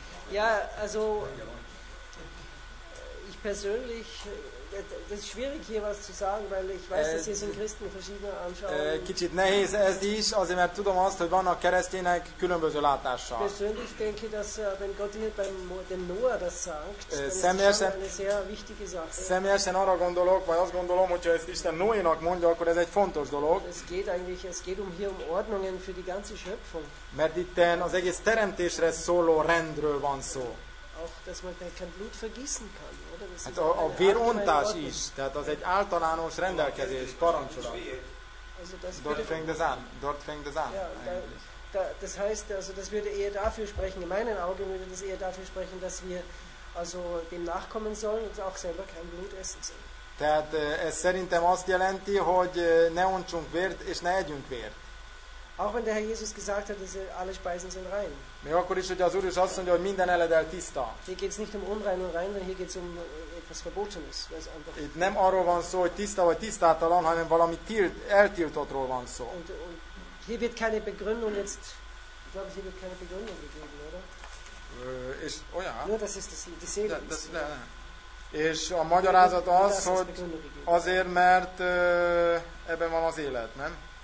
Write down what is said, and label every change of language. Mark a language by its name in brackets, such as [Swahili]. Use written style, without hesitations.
[German] Ja, also ich persönlich, das ist schwierig hier was zu sagen, weil ich weiß, dass hier sind Christen verschiedene Anschauungen. [Hungarian] Kicsit nehéz ez is, azért mert tudom azt, hogy vannak keresztények különböző látással. [German] Persönlich denke, dass wenn Gott hier dem Noah das sagt, dann ist das eine sehr wichtige Sache. [Hungarian] Személyesen arra gondolok, vagy azt gondolom, hogyha ezt Isten Noénak mondja, akkor ez egy fontos dolog. [German] Es geht hier um Ordnungen für die ganze Schöpfung. [Hungarian] Mert itt az egész teremtésre szóló rendről van szó. [German] Auch, dass man kein Blut vergießen kann. [Hungarian] Hát a vérontás is, tehát az egy általános rendelkezés, parancsolat. [German] Dort fängt es an. Das heißt, also das würde eher dafür sprechen, in meinen Augen würde das eher dafür sprechen, dass wir also dem nachkommen sollen und auch selber kein Blut essen sollen. [Hungarian] Tehát ez szerintem azt jelenti, hogy ne ontsunk vért és ne együnk vért. [German] Auch wenn der Herr Jesus gesagt hat, dass alle Speisen sind rein. [Hungarian] Még akkor is, hogy az Úr is azt mondja, hogy minden eledel tiszta. [German] Hier geht's nicht um unrein und rein, hier geht's um etwas Verbotenes. [Hungarian] Itt nem arról van szó, hogy tiszta vagy tisztátalan, hanem valami eltiltottról van szó. [German] Und hier wird keine Begründung jetzt, ich glaube, hier wird keine Begründung gegeben, oder? [Hungarian] És, oh ja. [German] Nur das ist das, die Seele. [Hungarian] És a magyarázat az, hogy azért, mert ebben van az élet, nem?